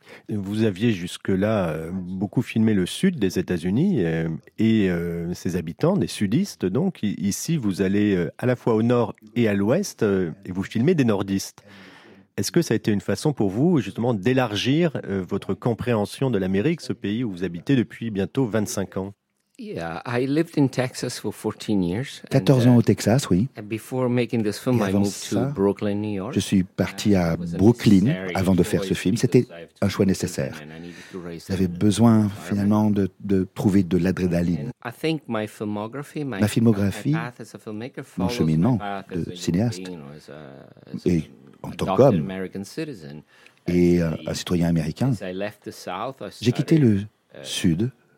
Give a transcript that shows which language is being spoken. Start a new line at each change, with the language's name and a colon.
French: Vous aviez jusque-là beaucoup filmé le sud des États-Unis et ses habitants, des sudistes. Donc ici, vous allez à la fois au nord et à l'ouest et vous filmez des nordistes. Est-ce que ça a été une façon pour vous justement d'élargir votre compréhension de l'Amérique, ce pays où vous habitez depuis bientôt 25 ans ?
English: Yeah, I lived in Texas for 14 years.
French: 14 ans au Texas, oui.
English: Before making this film, I moved to Brooklyn, New York.
French: Je suis parti à Brooklyn avant de faire ce film. C'était un choix nécessaire. J'avais besoin finalement de trouver de l'adrénaline.
English: I think my filmography,
French: ma filmographie, mon cheminement de cinéaste et en tant qu'homme et un citoyen américain, j'ai quitté le sud.